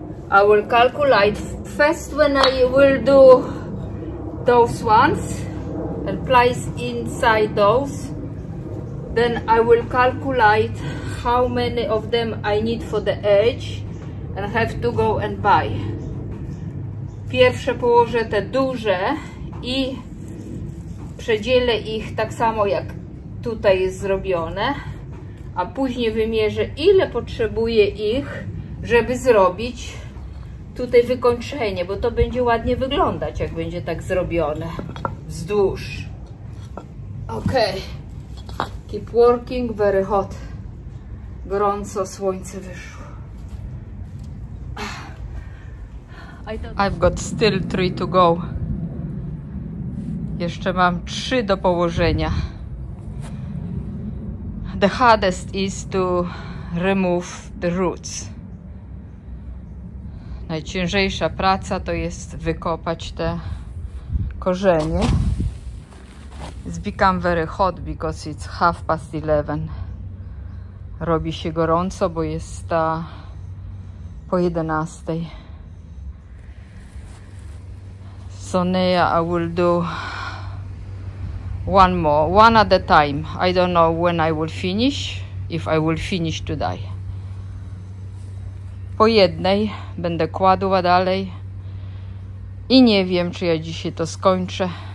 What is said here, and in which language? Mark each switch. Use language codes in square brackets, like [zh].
[en] I will calculate first when I will do those ones and place inside those. then I will calculate how many of them I need for the edge and have to go and buy. [pl] Pierwsze położę te duże i przedzielę ich tak samo jak tutaj jest zrobione, a później wymierzę ile potrzebuję ich, żeby zrobić tutaj wykończenie, bo to będzie ładnie wyglądać, jak będzie tak zrobione wzdłuż. [en] Okej. Okay. Keep working, very hot. [pl] Gorąco, słońce wyszło. [en] I've got still three to go. [pl] Jeszcze mam trzy do położenia. [en] The hardest is to remove the roots. [pl] Najciężejsza praca to jest wykopać te korzenie. [en] It's become very hot because it's 11:30. [pl] Robi się gorąco, bo jest ta po 11:00. [en] So now I will do one more, one at a time. I don't know when I will finish, if I will finish today. [pl] Po jednej będę kładła dalej i nie wiem, czy ja dzisiaj to skończę.